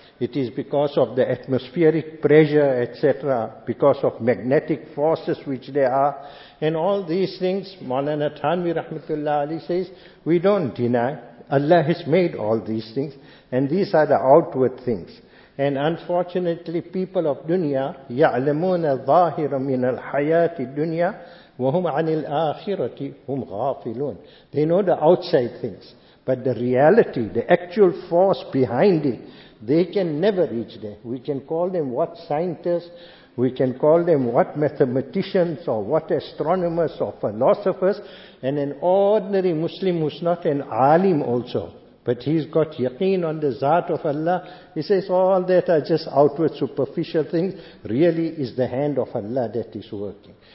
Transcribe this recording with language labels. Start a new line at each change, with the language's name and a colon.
English: It is because of the atmospheric pressure, etc., because of magnetic forces which there are. And all these things, Maulana Thanvi Rahmatullah Ali says, we don't deny. Allah has made all these things. And these are the outward things. And unfortunately, people of dunya,
Arabic: يَعْلَمُونَ الظَّاهِرَ مِنَ الْحَيَاةِ الدُّنْيَا وَهُمْ عَنِ الْآخِرَةِ هُمْ غَافِلُونَ.
English: They know the outside things. But the reality, the actual force behind it, they can never reach there. We can call them what scientists, we can call them what mathematicians or what astronomers or philosophers, and an ordinary Muslim who's not an alim also, but he's got yaqeen on the Zat of Allah, he says all that are just outward superficial things, really is the hand of Allah that is working.